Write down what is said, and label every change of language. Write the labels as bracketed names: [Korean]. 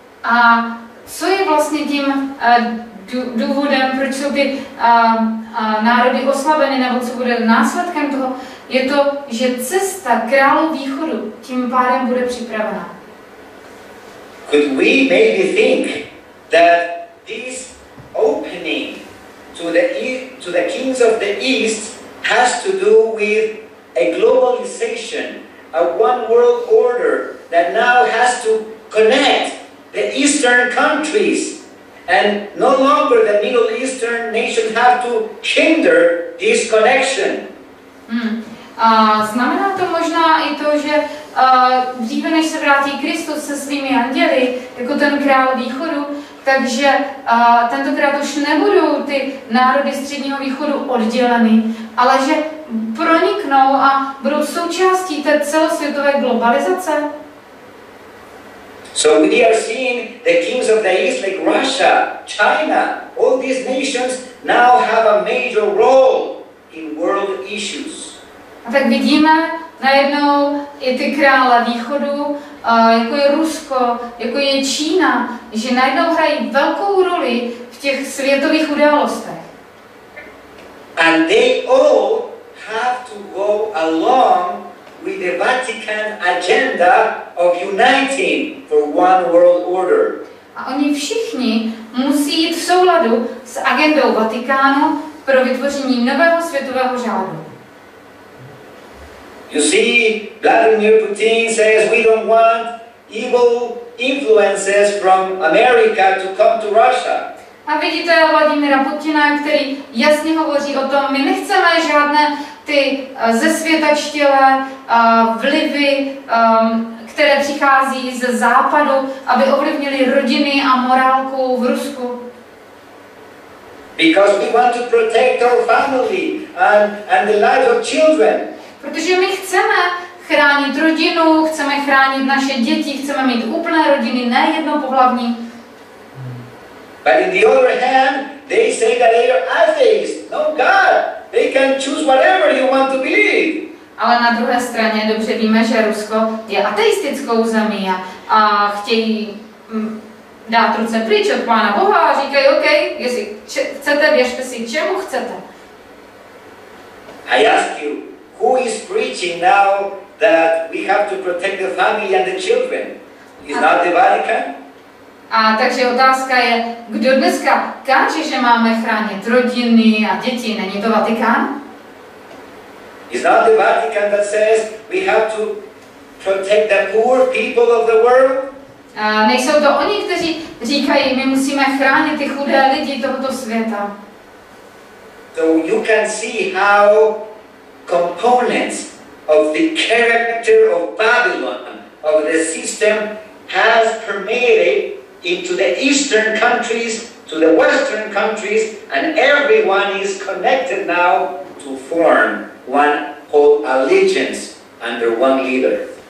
[Czech] A co je vlastně tím důvodem, proč jsou ty národy oslabeny, nebo co bude následkem toho? Je to, že cesta králu východu tím pádem bude připravena. [English] Could we maybe think that this opening to the kings of the east has to do with a globalization, a one world order that now has to connect the eastern countries, and no longer the Middle Eastern nations have to hinder this connection? [Czech] A znamená to možná i to, že dříve než se vrátí Kristus se svými anděli, jako ten král východu, takže tentokrát už nebudou ty národy středního východu odděleny, ale že proniknou a budou součástí té celosvětové globalizace. [English] So we are seeing the kings of the east like Russia, China, all these nations now have a major role in world issues. [Czech] A tak vidíme najednou i ty krále východu, jako je Rusko, jako je Čína, že najednou hrají velkou roli v těch světových událostech. [English] And they all have to go along with the Vatican agenda of uniting for one world order. [Czech] A oni všichni musí jít v souladu s agendou Vatikánu pro vytvoření nového světového řádu. [English] You see, Vladimir Putin says we don't want evil influences from America to come to Russia. [Czech] A vidíte Vladimira Putina, který jasně hovoří o tom, my nechceme žádné ty zesvětačtělé vlivy, které přichází ze západu, aby ovlivnili rodiny a morálku v Rusku. [English] Because we want to protect our family and the lives of children. [Czech] Protože my chceme chránit rodinu, chceme chránit naše děti, chceme mít úplné rodiny, ne jednopohlavní. [English] But in the other hand, they say that they are atheists, no God. They can choose whatever you want to believe. [Czech] Ale na druhé straně dobře víme, že Rusko je ateistickou zemí a chtějí dát ruce pryč od Pána Boha a říkají, OK, jestli chcete, věřte si, čemu chcete. [English] I ask you, who is preaching now that we have to protect the family and the children? Is not the Vatican? [Czech] A takže otázka je, kdo dneska káže, že máme chránit rodiny a děti, není to Vatikán? [English] Is not the Vatican that says we have to protect the poor people of the world? [Czech] A nejsou to oni, kteří říkají, my musíme chránit ty chudé lidi tohoto světa. [English] So you can see how components of the character of Babylon, of the system, has permeated into the eastern countries, to the western countries, and everyone is connected now to form one whole allegiance under one leader.